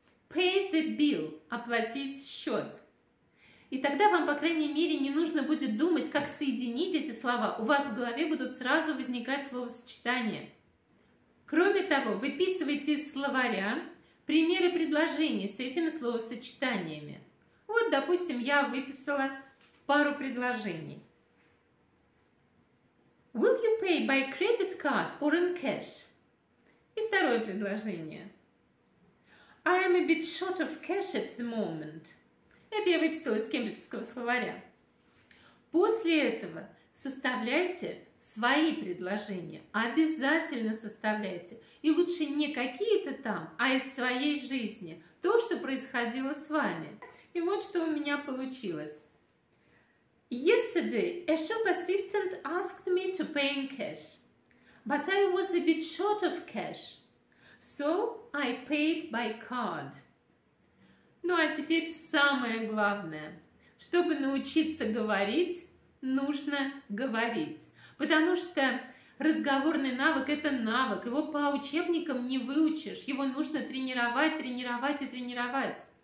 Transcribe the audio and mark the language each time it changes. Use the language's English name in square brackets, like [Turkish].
[English] Pay the bill [Russian] – оплатить счет. И тогда вам, по крайней мере, не нужно будет думать, как соединить эти слова. У вас в голове будут сразу возникать словосочетания. Кроме того, выписывайте из словаря примеры предложений с этими словосочетаниями. Вот, допустим, я выписала пару предложений. [English] Will you pay by credit card or in cash? [Russian] И второе предложение. [English] I am a bit short of cash at the moment. [Russian] Это я выписала из кембриджского словаря. После этого составляйте свои предложения. Обязательно составляйте. И лучше не какие-то там, а из своей жизни. То, что происходило с вами. И вот что у меня получилось. [English] Yesterday a shop assistant asked me to pay in cash. But I was a bit short of cash. So I paid by card. [Russian] Ну а теперь самое главное. Чтобы научиться говорить, нужно говорить. Потому что разговорный навык – это навык. Его по учебникам не выучишь. Его нужно тренировать, тренировать и тренировать.